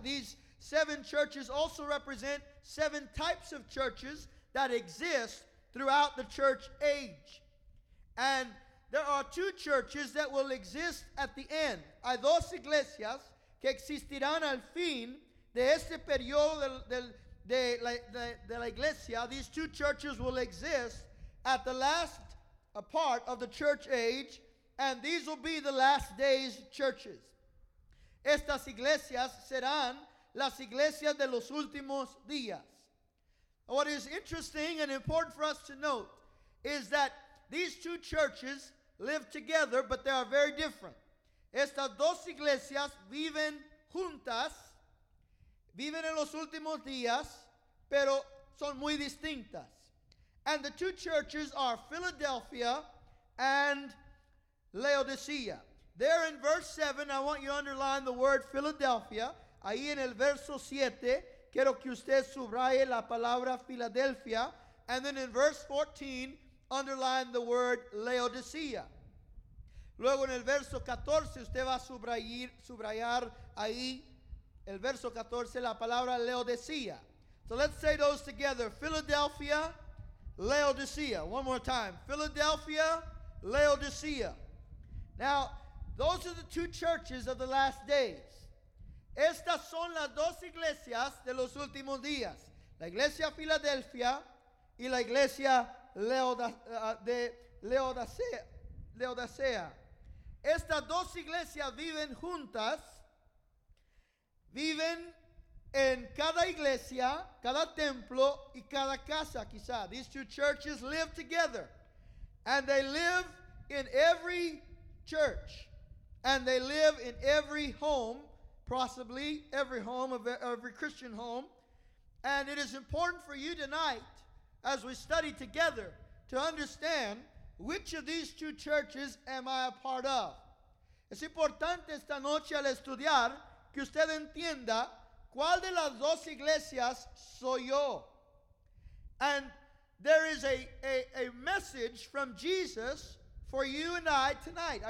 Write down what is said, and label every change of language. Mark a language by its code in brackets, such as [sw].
[en] These seven churches also represent seven types of churches that exist throughout the church age. And there are two churches that will exist at the end. [es] Hay dos iglesias que existirán al fin de este periodo de la iglesia. [en] These two churches will exist at the last part of the church age, and these will be the last days churches. [es] Estas iglesias serán las iglesias de los últimos días. [en] What is interesting and important for us to note is that these two churches live together, but they are very different. [es] Estas dos iglesias viven juntas, viven en los últimos días, pero son muy distintas. [en] And the two churches are Philadelphia and Laodicea. There in verse 7, I want you to underline the word Philadelphia. [es] Ahí en el verso 7, quiero que usted subraye la palabra Philadelphia. [en] And then in verse 14, underline the word Laodicea. [es] Luego en el verso 14, usted va a subrayar ahí, el verso 14, la palabra Laodicea. [en] So let's say those together. Philadelphia, Laodicea. One more time. Philadelphia, Laodicea. Now, those are the two churches of the last days. [es] Estas son las dos iglesias de los últimos días. La iglesia Filadelfia y la iglesia Laodicea. Estas dos iglesias viven juntas, viven en cada iglesia, cada templo y cada casa, quizá. [en] These two churches live together. And they live in every church. And they live in every home, possibly every home of every Christian home. And it is important for you tonight, as we study together, to understand which of these two churches am I a part of. [es] Es importante esta noche al estudiar que usted entienda cuál de las dos iglesias soy yo. [en] And there is a message from Jesus for you and I tonight.